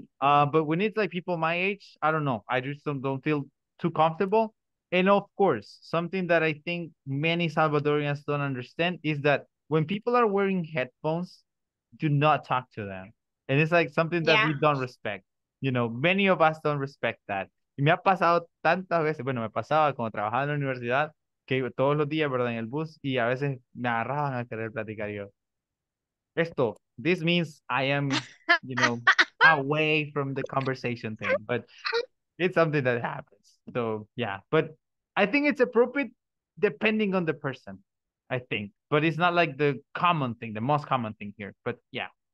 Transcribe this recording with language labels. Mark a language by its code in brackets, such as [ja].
[en] But when it's like people my age, I don't know. I just don't feel too comfortable. And of course, something that I think many Salvadorians don't understand is that when people are wearing headphones, do not talk to them. And it's like something that we don't respect. You know, many of us don't respect that. [es] Y me ha pasado tantas veces, bueno, me pasaba cuando trabajaba en la universidad, que todos los días, ¿verdad?, en el bus, y a veces me agarraban a querer platicar yo. [en] Esto, this means I am, you know, away from the conversation thing, but it's something that happens. So, yeah, but I think it's appropriate depending on the person, I think. But it's not like the common thing, the most common thing here, but yeah.